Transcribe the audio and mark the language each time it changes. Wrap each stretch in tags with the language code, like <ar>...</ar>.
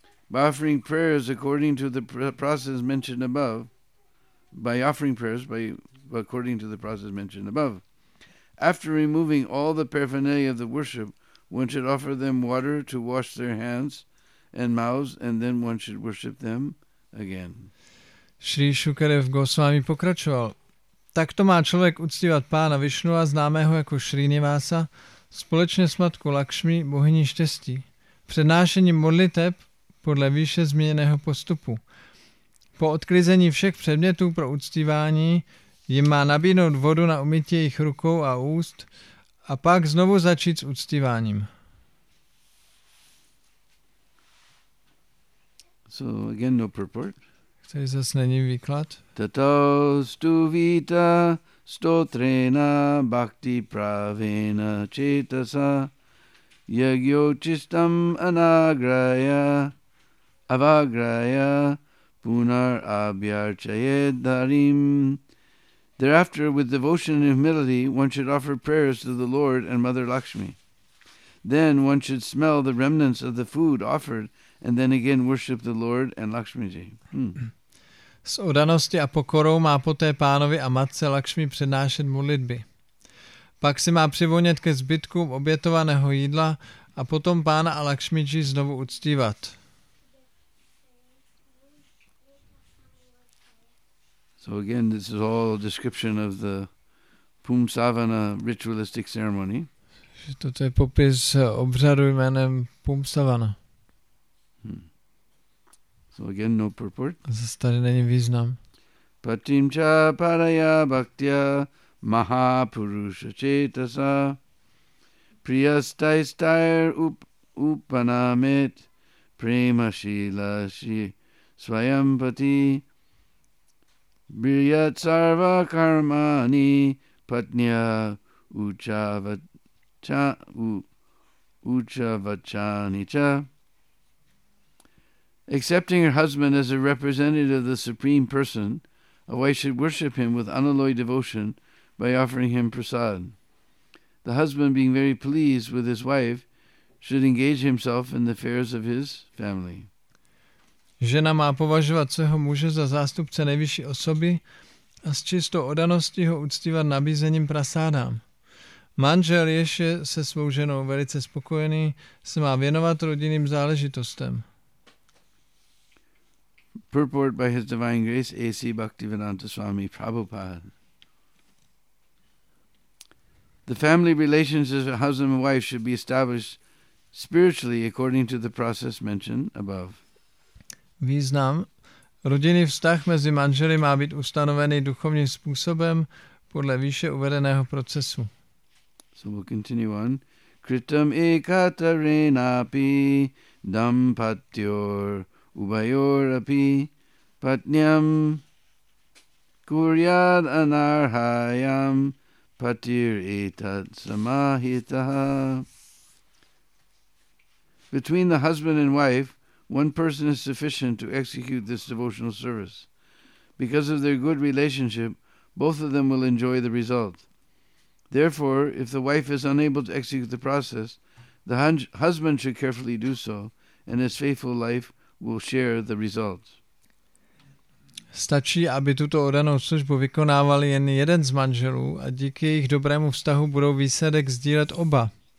<en>By offering prayers according to the process mentioned above, after removing all the paraphernalia of the worship, one should offer them water to wash their hands and mouths, and then one should worship them again.</en> <cs>Sri Shukadev Goswami pokračoval. Takto má člověk uctívat pána Višnua, známého jako Srinivasa, společně s matkou Lakšmi, bohyní štěstí, přednášením modliteb podle výše zmíněného postupu. Po odklizení všech předmětů pro uctívání jim má nabídnout vodu na umytí jejich rukou a úst a pak znovu začít s uctíváním.</cs> <en>So again no purport.</en> <cs>Tady zase není výklad.</cs> <sa>Tato stu vita stotrena bhakti pravena cetasa yagyo chistam anagraya avagraya punar abhyarchayed dharim.</sa> <en>Thereafter, with devotion and humility, one should offer prayers to the Lord and Mother Lakshmi. Then one should smell the remnants of the food offered and then again worship the Lord and Lakshmiji.</en> <cs>S oddaností a pokorou má poté pánovi a matce Lakšmi přednášet modlitby. Pak si má přivonět ke zbytkům obětovaného jídla a potom pána a Lakšmiji znovu uctívat.</cs> <en>So again, this is all a description of the Pumsavana ritualistic ceremony.</en> <cs>Toto je popis obřadu jménem Pumsavana.</cs> <en>So again, no purport.</en> <cs>Zase tady není význam.</cs> <sa>Patim cha paraya bhaktya maha purusha cetasa priyastai stair upanamit prema shila shi svayam pati briyat sarva karmani patnya uchavachani cha.</sa> <en>Accepting her husband as a representative of the Supreme Person, a wife should worship him with unalloyed devotion by offering him prasad. The husband, being very pleased with his wife, should engage himself in the affairs of his family.</en> <cs>Žena má považovat svého muže za zástupce nejvyšší osoby a s čistou oddaností ho uctívat nabízením prasáda. Manžel, jež je se svou ženou velice spokojený, se má věnovat rodinným záležitostem.</cs> <en>Purport by His Divine Grace A.C. Bhaktivedanta Swami Prabhupada. The family relations as a husband and wife should be established spiritually according to the process mentioned above.</en> <cs>Význam: rodinný vztah mezi manželi má být ustanovený duchovním způsobem podle výše uvedeného procesu.</cs> <en>So we'll continue on.</en> <sa>Kritam ekatarenapi dampatyor ubayor api patnyam kuryad anarhayam patir etat samahitah.</sa> <en>Between the husband and wife, one person is sufficient to execute this devotional service. Because of their good relationship, both of them will enjoy the result. Therefore, if the wife is unable to execute the process, the husband should carefully do so, and his faithful life will share the result.</en> <cs>Stačí, aby tuto oddanou službu vykonával jen jeden z manželů a díky jejich dobrému vztahu budou výsledek sdílet oba.</cs>